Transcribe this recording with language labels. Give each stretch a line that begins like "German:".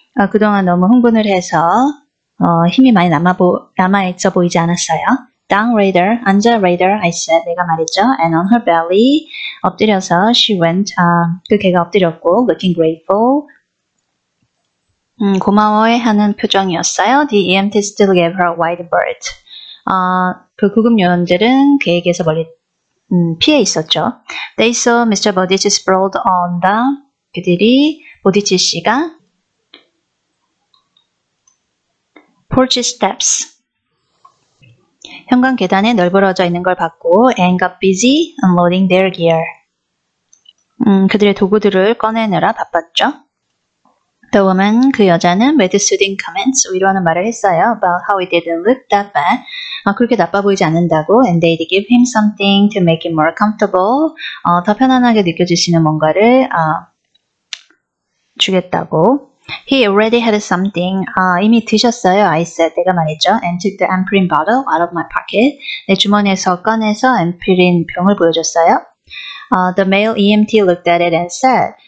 Korean: 그동안 너무 흥분을 해서 힘이 많이 남아있어 보이지 않았어요.
English: Down raider,
Korean: 앉아
English: raider, I said,
Korean: 내가 말했죠.
English: And on her belly,
Korean: 엎드려서
English: she went,
Korean: 그 개가 엎드렸고,
English: looking grateful.
Korean: 고마워해하는 표정이었어요.
English: The EMT still gave her a wide berth.
Korean: 그 구급요원들은 개에게서 멀리 피해 있었죠.
English: They saw Mr. Bodich sprawled on the,
Korean: 그들이 보디치 씨가
English: porch steps.
Korean: 현관 계단에 널브러져 있는 걸 봤고,
English: and got busy unloading their gear.
Korean: 그들의 도구들을 꺼내느라 바빴죠.
English: The woman,
Korean: 그 여자는
English: with soothing comments,
Korean: 위로하는 말을 했어요.
English: About how it didn't look that bad.
Korean: 그렇게 나빠 보이지 않는다고.
English: And they'd give him something to make him more comfortable.
Korean: 더 편안하게 느껴지시는 뭔가를 주겠다고.
English: He already had something.
Korean: 이미 드셨어요.
English: I said.
Korean: 내가 말했죠.
English: And took the Ampirin bottle out of my pocket.
Korean: 내 주머니에서 꺼내서 Ampirin 병을 보여줬어요.
English: The male EMT looked at it and said.